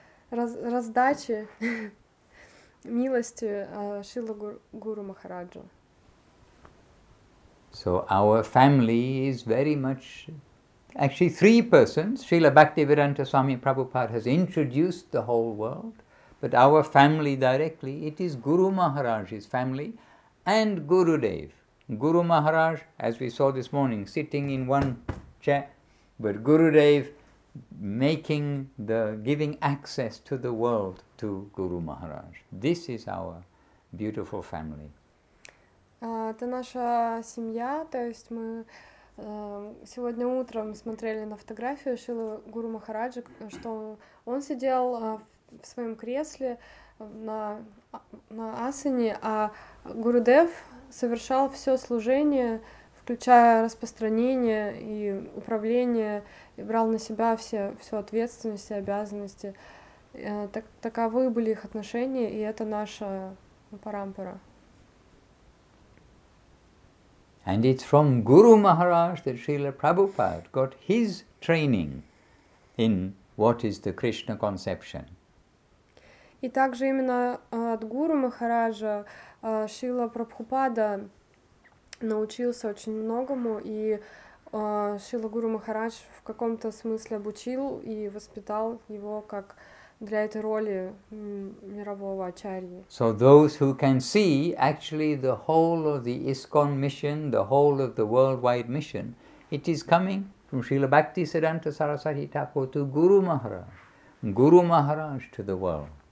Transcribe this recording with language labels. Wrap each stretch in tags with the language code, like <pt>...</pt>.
<ru>раздачи милости Шрилы Гуру Махараджу.</ru> <en>So our family is very much, actually three persons, Srila Bhaktivedanta Swami Prabhupada has introduced the whole world, but our family directly, it is Guru Maharaj's family and Gurudev. Guru Maharaj, as we saw this morning, sitting in one chair, but Gurudev making the, giving access to the world to Guru Maharaj. This is our beautiful family.</en> <ru>Это наша семья, то есть мы сегодня утром смотрели на фотографию Шрилы Гуру Махараджа, что он сидел в своем кресле на асане, а Гурудев совершал все служение, включая распространение и управление, и брал на себя всю ответственность и обязанности. Таковы были их отношения, и это наша парампара.</ru> <en>And it's from Guru Maharaj that Srila Prabhupada got his training in what is the Krishna conception.</en> <ru>И также именно от Гуру Махараджа Шрила Прабхупада научился очень многому, и Шрила Гуру Махарадж в каком-то смысле обучил и воспитал его как для этой роли мирового ачарьи.</ru> <en>So those who can see, actually the whole of the ISKCON mission, the whole of the worldwide mission, it is coming from Srila Bhakti Siddhanta Sarasvati Thakur to Guru Maharaj, Guru Maharaj to the world.</en>